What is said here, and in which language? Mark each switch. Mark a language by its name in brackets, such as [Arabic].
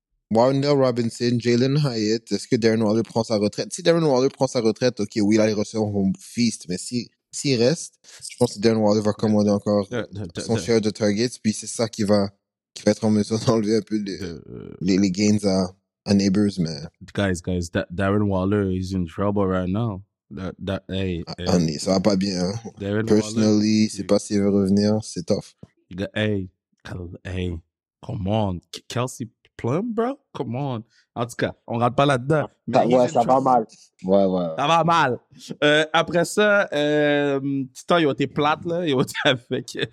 [French] Wandale Robinson, Jalen Hyatt, est-ce que Darren Waller prend sa retraite? Si Darren Waller prend sa retraite, OK, oui, là, les receveurs vont feast, mais si... S'il reste, je pense que Darren Waller va commander encore son share de targets, puis c'est ça qui va être en mesure d'enlever un peu les gains à Neighbors, man. [English] Guys, Darren Waller is in trouble right now. [French] Honey, ça va pas bien. Hein. Personally, Waller, c'est pas s'il veut revenir, c'est tough. [English] Hey, come on. Kelsey Plum, bro? Come on. [French] En tout cas, on rentre pas là-dedans. Mais ça, ouais, ça va mal. Ouais. Ça va mal. Après ça, Titan, ils ont été plates, là. Ils ont été avec.